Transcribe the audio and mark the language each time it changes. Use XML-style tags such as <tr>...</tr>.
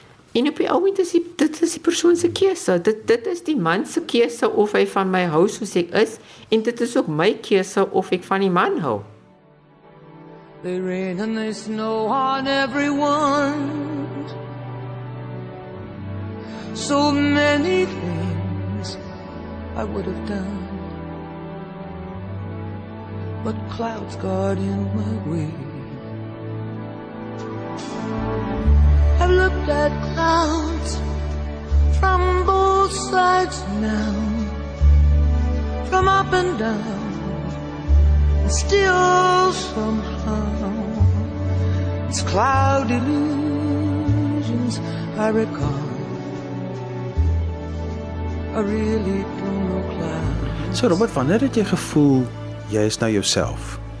<af>En op die ouwe, dit is die persoon se keuse, dit is die man se keuse, of hy van my hou, soos ek is, en dit is ook my keuse, of ek van die man hou.</af> <en>They rain and they snow on everyone. So many things I would have done, but clouds guard in my way. I've looked at clouds from both sides now, from up and down, and still somehow it's cloud illusions I recall. I really don't know clouds.</en> <af>So Robert, wanneer het jy gevoel jy is nou jouself?</af>